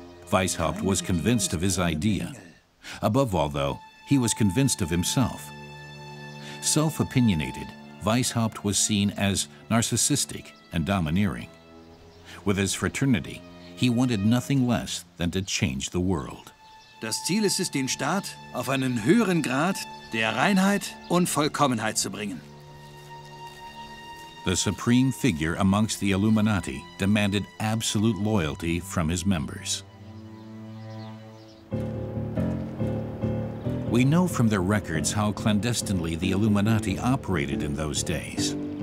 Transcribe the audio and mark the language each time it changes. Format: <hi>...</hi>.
<en>Weishaupt was convinced of his idea. Above all, though, he was convinced of himself. Self-opinionated, Weishaupt was seen as narcissistic and domineering. With his fraternity, he wanted nothing less than to change the world.</en> <de>Das Ziel ist es, den Staat auf einen höheren Grad der Reinheit und Vollkommenheit zu bringen.</de> <en>The supreme figure amongst the Illuminati demanded absolute loyalty from his members. We know from their records how clandestinely the Illuminati operated in those days.</en>